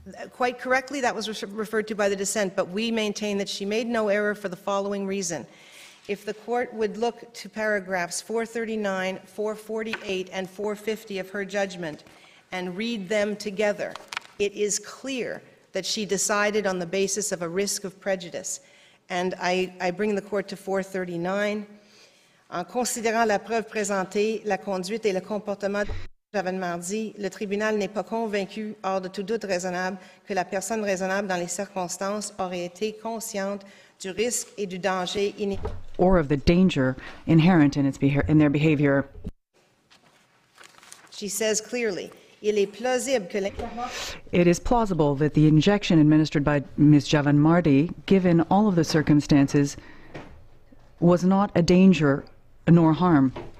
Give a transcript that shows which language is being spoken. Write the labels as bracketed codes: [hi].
[en] Quite correctly, that was referred to by the dissent, but we maintain that she made no error for the following reason. If the court would look to paragraphs 439, 448, and 450 of her judgment, and read them together, it is clear that she decided on the basis of a risk of prejudice. And I bring the court to 439. [fr] En considérant la preuve présentée, la conduite et le comportement de Javan Mardi, le tribunal n'est pas convaincu, hors de tout doute raisonnable, que la personne raisonnable dans les circonstances aurait été consciente du risque et du danger [en] or of the danger inherent in its in their behavior. She says clearly, it is plausible that the injection administered by Ms. Javan Mardi, given all of the circumstances, was not a danger nor harm.